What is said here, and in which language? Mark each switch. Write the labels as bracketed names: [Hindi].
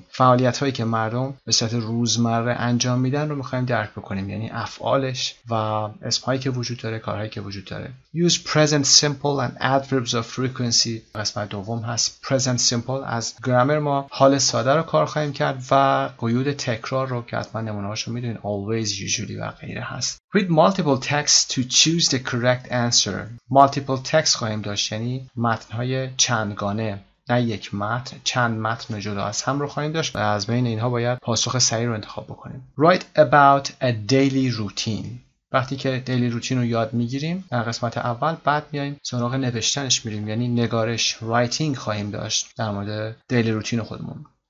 [Persian] فعالیت هایی که مردم به صورت روزمره انجام میدن رو میخوایم درک بکنیم، یعنی افعالش و اسم هایی که وجود داره، کارهایی که وجود داره. [English] use present simple and adverbs of frequency. [Persian] قسمت دوم هست [English] present simple. [Persian] از گرامر ما حال ساده رو کار خواهیم کرد و قیود تکرار رو که حتما نمونه هاشو میدونیم، always، usually و غیره هست. [English] read multiple texts to choose the correct answer. [Persian] multiple texts خواهیم داشت، یعنی متن‌های چندگانه، نه یک متن، چند متن جدا از هم رو خواهیم داشت و از بین اینها باید پاسخ صحیح رو انتخاب بکنیم. [English] write about a daily routine. [Persian] وقتی که دیلی روتین رو یاد میگیریم در قسمت اول، بعد میایم سراغ نوشتنش میریم، یعنی نگارش، writing خواهیم داشت در مورد دیلی روتین خودمون.